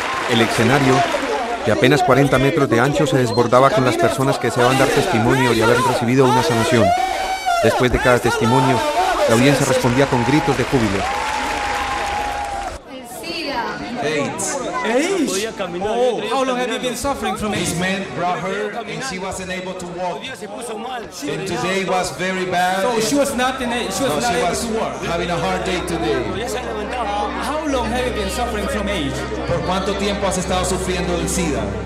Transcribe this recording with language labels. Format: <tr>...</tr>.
<es>El escenario, de apenas 40 metros de ancho, se desbordaba con las personas que deseaban dar testimonio y haber recibido una sanación. Después de cada testimonio, la audiencia respondía con gritos de júbilo.</es> <en>AIDS. Oh, how long have you been suffering from AIDS? This man brought her and she wasn't able to walk. And today was very bad. So she was not in AIDS. She was having a hard day today. How long have you been suffering from AIDS?</en> <es>¿Por cuánto tiempo has estado sufriendo del SIDA?</es>